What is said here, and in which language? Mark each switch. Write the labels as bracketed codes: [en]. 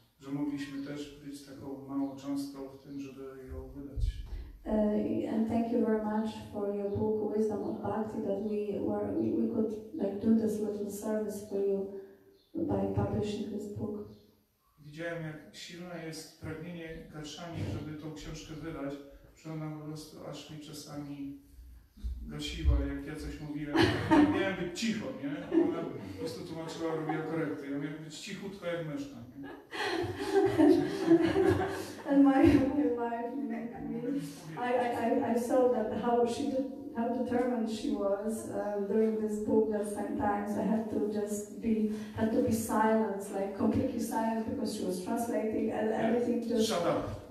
[pl] Że mogliśmy też być taką małą cząstką w tym, żeby ją wydać. [en] And thank you very much for your book Wisdom of Bhakti, that we could like do this little service for you by publishing this book. [pl] Widziałem, jak silne jest pragnienie Garszami, żeby tą książkę wydać, że ona po prostu aż mi czasami gasiła, jak ja coś mówiłem, miałem być cicho, nie? Ona po prostu tłumaczyła, robiła korekty. Ja miałem być cichutko jak myszka. [en] And my wife, I saw that how determined she was during this book that sometimes I had to be silent, like completely silent because she was translating and everything just shut up.